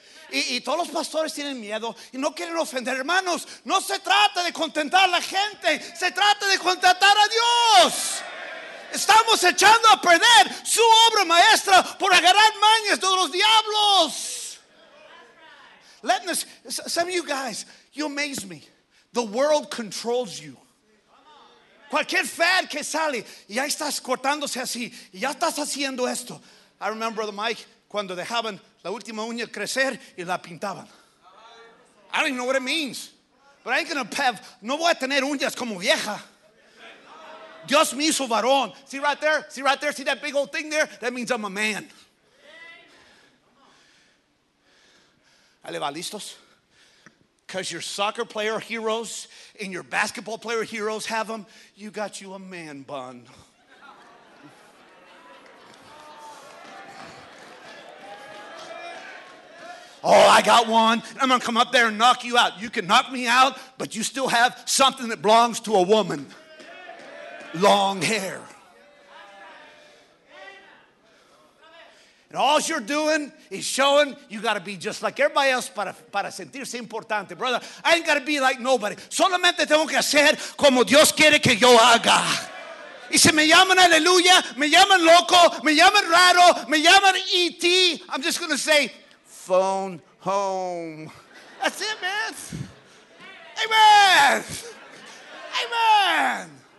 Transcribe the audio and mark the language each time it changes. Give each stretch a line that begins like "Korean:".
Spanish: Y todos los pastores tienen miedo y no quieren ofender. Hermanos, no se trata de contentar a la gente, se trata de contentar a Dios. Estamos echando a perder su obra maestra por agarrar mañas de los diablos.
English: Letting this, some of you guys, you amaze me. The world controls you.
Spanish: Cualquier fad que sale, ya estás cortándose así, ya estás haciendo esto.
English: I remember the Mike
Spanish: cuando dejaban la última uña crecer y la pintaban.
English: I don't even know what it means, but I ain't gonna have.
Spanish: No voy a tener uñas como vieja. Dios me hizo varón.
English: See right there? See right there? See that big old thing there? That means I'm a man. Because your soccer player heroes and your basketball player heroes have them, you got you a man bun. Oh, I got one. I'm going to come up there and knock you out. You can knock me out, but you still have something that belongs to a woman. Long hair. And all you're doing is showing you got to be just like everybody else
Spanish: para sentirse importante.
English: Brother, I ain't got to be like nobody.
Spanish: Solamente tengo que hacer como Dios quiere que yo haga. Y si me llaman aleluya, me llaman loco, me llaman raro, me llaman E.T.,
English: I'm just going to say, phone home. That's it, man. Amen. Amen.